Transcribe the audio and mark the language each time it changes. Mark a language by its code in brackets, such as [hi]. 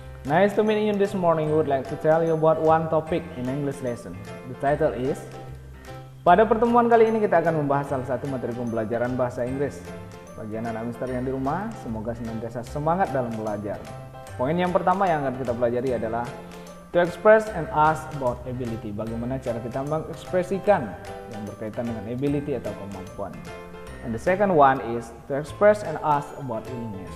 [en] Nice to meet you this morning. I would like to tell you about one topic in English lesson. The title is, [id] pada pertemuan kali ini kita akan membahas salah satu materi pembelajaran bahasa Inggris. Bagi anak-anak mister yang di rumah, semoga senantiasa semangat dalam belajar. Poin yang pertama yang akan kita pelajari adalah [en] to express and ask about ability. [id] Bagaimana cara kita mengekspresikan yang berkaitan dengan ability atau kemampuan. [en] And the second one is to express and ask about willingness.